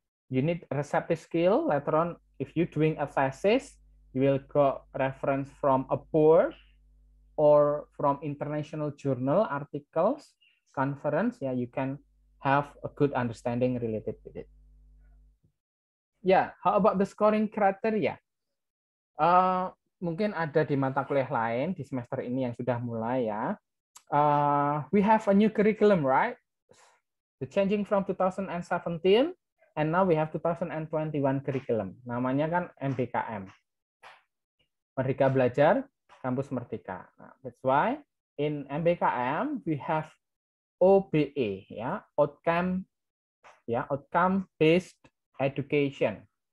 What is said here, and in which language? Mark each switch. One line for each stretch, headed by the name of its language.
English: You need receptive skill. Later on, if you doing a thesis, you will got reference from a board or from international journal articles, conference. Yeah, you can have a good understanding related to it. Yeah, how about the scoring criteria?
Indonesian: Mungkin ada di mata kuliah lain di semester ini yang sudah mulai, ya.
English: We have a new curriculum, right? The changing from 2017 and now we have 2021 curriculum.
Indonesian: Namanya kan MBKM. Merdeka Belajar Kampus Merdeka.
English: Nah, that's why in MBKM we have OBE, ya, yeah, outcome, ya, yeah, outcome based education.